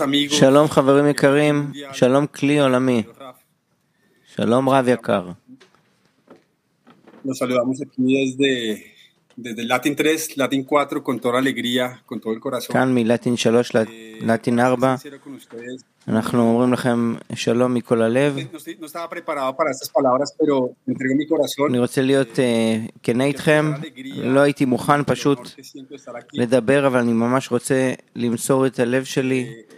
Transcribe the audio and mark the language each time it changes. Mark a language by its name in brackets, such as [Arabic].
[Hebrew] שלום חברים יקרים, שלום כלי עולמי, שלום רב יקר. [Spanish] Nos saludamos aquí desde Latin 3, Latin 4, con toda alegría, con todo el corazón. [Hebrew] כאן מלטין 3, לטין 4, אנחנו אומרים לכם שלום מכל הלב. [Spanish] No estaba preparado para estas palabras, pero entregué mi corazón. [Hebrew] אני רוצה להיות כנה איתכם, לא הייתי מוכן פשוט לדבר, אבל אני ממש רוצה למסור את הלב שלי.